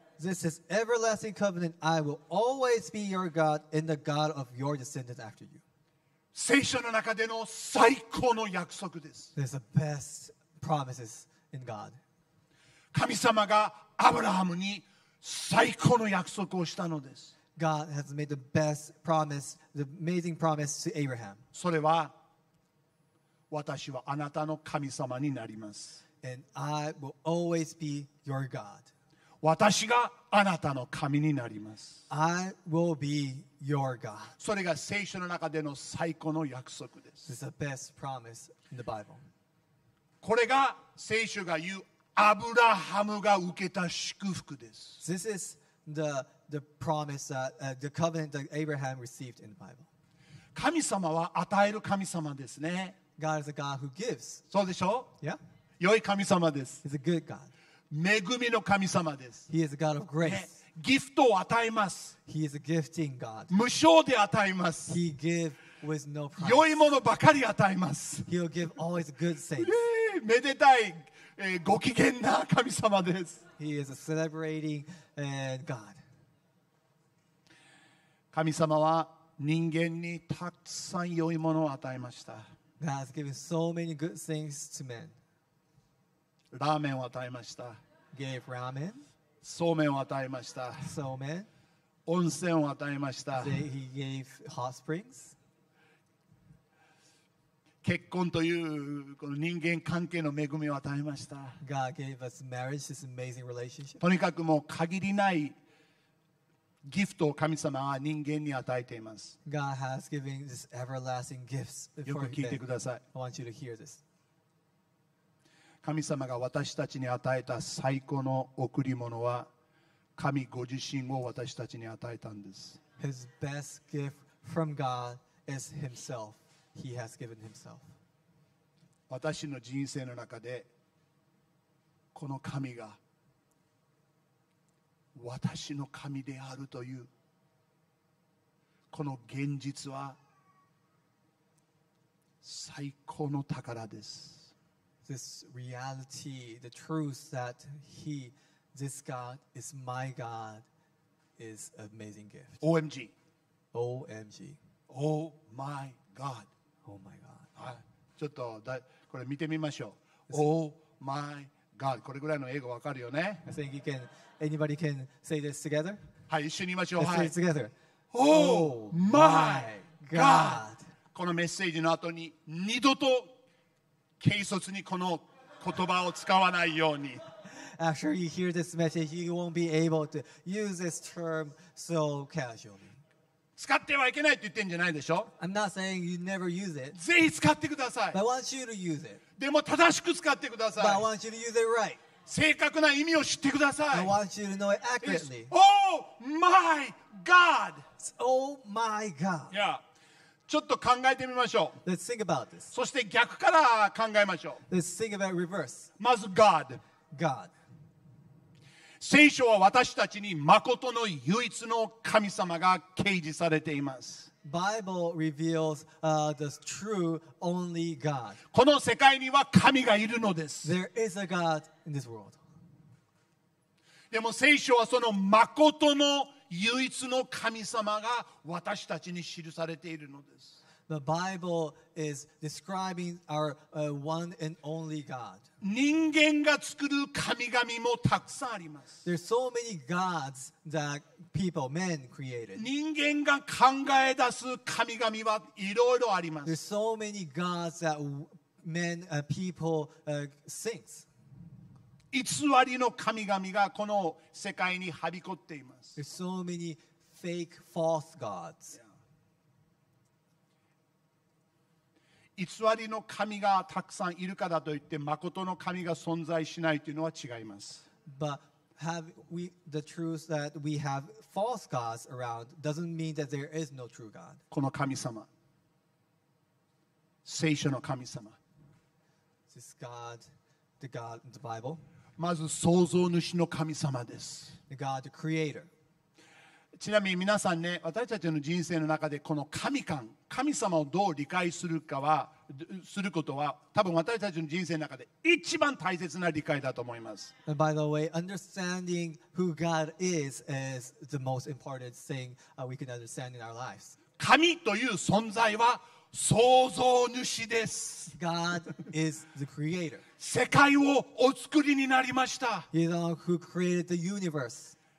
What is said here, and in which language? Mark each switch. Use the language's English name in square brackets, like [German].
[English] This is everlasting covenant. I will always be your God and the God of your descendants after you. [Japanese] 聖書の中での最高の約束です。 [English] There's the best promises in God. [Japanese] 神様がアブラハムに最高の約束をしたのです。 [English] God has made the best promise, the amazing promise to Abraham. [Japanese] それは、私はあなたの神様になります。 [English] And I will always be your God. [Japanese] 私があなたの神になります。 [English] I will be your God. [Japanese] それが聖書の中での最高の約束です。 [English] This is the best promise in the Bible. [Japanese] これが聖書が言うアブラハムが受けた祝福です。 [English] This is the promise that, the covenant that Abraham received in the Bible. [Japanese] 神様は与える神様ですね。 [English] God is a God who gives. [Japanese] そうでしょう？ [English] Yeah. [Japanese] 良い神様です。 [English] He's a good God. [Japanese] 恵みの神様です。 [English] He is a God of grace. [Japanese] ギフトを与えます。 [English] He is a gifting God. [Japanese] 無償で与えます。 [English] He gives with no price. [Japanese] 良いものばかり与えます。 [English] He'll give all his good things. [Japanese] めでたい。ご機嫌な神様です。 [English] He is a celebrating God. [Japanese] 神様は人間にたくさん良いものを与えました。 [English] God has given so many good things to men. [Japanese] ラーメンを与えました。 [English] Gave ramen. [Japanese] そうめんを与えました。そうめん。温泉を与えました。 [English] He gave hot springs. [Japanese] 結婚というこの人間関係の恵みを与えました。 [English] God gave us marriage, this amazing relationship. [Japanese] とにかくもう限りないギフトを神様は人間に与えています。 [English] God has given this everlasting gifts before you. [Japanese] よく聞いてください。 [English] I want you to hear this. [Japanese] 神様が私たちに与えた最高の贈り物は神ご自身を私たちに与えたんです。 [English] His best gift from God is himself. He has given himself. [Japanese] 私の人生の中でこの神が私の神であるというこの現実は最高の宝です。 [English] This reality, the truth that he, this God is my God, is an amazing gift. OMG. OMG. Oh my God. Oh my God. [Japanese] はい、ちょっとだこれ見てみましょう。 [English] Oh my God. [Japanese] これぐらいの英語わかるよね。 [English] I think you can, anybody can say this together? [Japanese] はい、一緒に言いましょう。 [English] Let's say it together. Oh my God. [Japanese] このメッセージの後に二度と軽率にこの言葉を使わないように。 [English] After you hear this message, you won't be able to use this term so casually. [Japanese] 使ってはいけないって言ってんじゃないでしょ。 [English] I'm not saying you never use it. [Japanese] ぜひ使ってください。 [English] But I want you to use it. [Japanese] でも正しく使ってください。 [English] But I want you to use it right. [Japanese] 正確な意味を知ってください。 [English] I want you to know it accurately. It's, oh my God! It's, oh my God! Yeah. [Japanese] ちょっと考えてみましょう。 [English] Let's think about this. [Japanese] そして逆から考えましょう。 [English] Let's think about reverse. [Japanese] まず God. [English] God. [Japanese] 聖書は私たちに誠の唯一の神様が掲示されています。 [English] Bible reveals, the true only God. [Japanese] この世界には神がいるのです。 [English] There is a God in this world. [Japanese] でも聖書はその誠の唯一の神様が私たちに記されているのです。 [English] The Bible is describing our, one and only God. [Japanese] 人間が作る神々もたくさんあります。 [English] There's so many gods that people, men created. [Japanese] 人間が考え出す神々はいろいろあります。 [English] There's so many gods that men, people, thinks. [Japanese] 偽りの神々がこの世界にはびこっています。 [English] There's so many fake, false gods. [Japanese] 偽りの神がたくさんいるからといって誠の神が存在しないというのは違います。 [English] But have we the truth that we have false gods around doesn't mean that there is no true God. [Japanese] この神様、聖書の神様。 [English] This God, the God in the Bible. [Japanese] まず創造主の神様です。 [English] The God, the Creator. [Japanese] ちなみに皆さんね、私たちの人生の中でこの神観、神様をどう理解するかは、することは、多分私たちの人生の中で一番大切な理解だと思います。 [English] By the way, understanding who God is the most important thing we can understand in our lives. [Japanese] 神という存在は創造主です。 [English] God is the creator. [Japanese] 世界をお作りになりました。 [English] He is the one who created the universe.